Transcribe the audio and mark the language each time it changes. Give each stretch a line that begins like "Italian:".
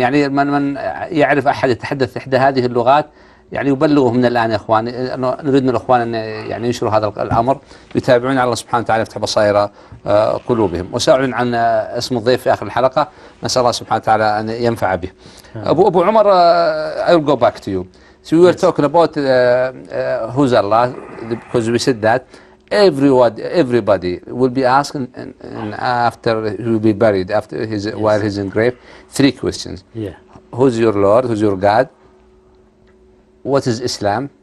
Arabic: يعني من يعرف احد يتحدث احدى هذه اللغات يعني يبلغه من الان يا اخواني. نريد من الاخوان ان يعني ينشروا هذا الامر، يتابعون على الله سبحانه وتعالى يفتح بصائر قلوبهم. وساعلن عن اسم الضيف في اخر الحلقه، نسال الله سبحانه وتعالى ان ينفع به.
English: ابو عمر، I'll go back to you. So we were talking about who's Allah, because we said that everybody will be asking after he will be buried, after his while he's in grave, three questions. Yeah. Who's your Lord? Who's your God? What is Islam?